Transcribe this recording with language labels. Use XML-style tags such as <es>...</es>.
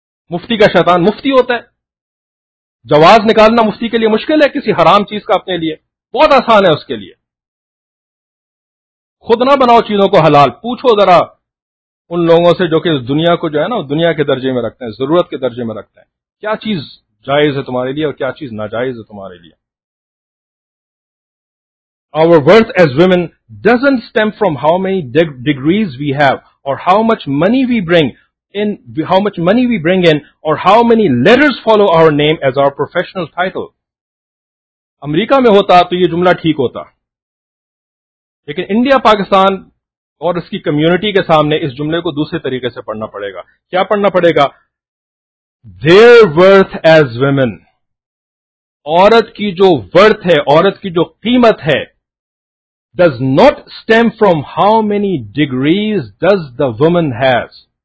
<ur>مفتی کا شیطان مفتی ہوتا ہے. جواز نکالنا مفتی کے لیے مشکل ہے کسی حرام چیز کا اپنے لیے؟ بہت آسان ہے اس کے لیے. خود نہ بناؤ چیزوں کو حلال, پوچھو ذرا ان لوگوں سے جو کہ اس دنیا کو جو ہے نا دنیا کے درجے میں رکھتے ہیں, ضرورت کے درجے میں رکھتے ہیں, کیا چیز جائز ہے تمہارے لیے اور کیا چیز ناجائز ہے تمہارے لیے.</ur> <en>Our worth as women doesn't stem from how many degrees we have or how much money we bring in, how much money we bring in or how many letters follow our name as our professional title.</en> <ur>امریکہ میں ہوتا تو یہ جملہ ٹھیک ہوتا, لیکن India Pakistan اور اس کی کمیونٹی کے سامنے اس جملے کو دوسرے طریقے سے پڑھنا پڑے گا. کیا پڑھنا پڑے گا؟</ur> <en>Their worth as women.</en> <ur>عورت کی جو ورتھ ہے, عورت کی جو قیمت ہے,</ur> <en>does not stem from how many degrees does the woman has.</en>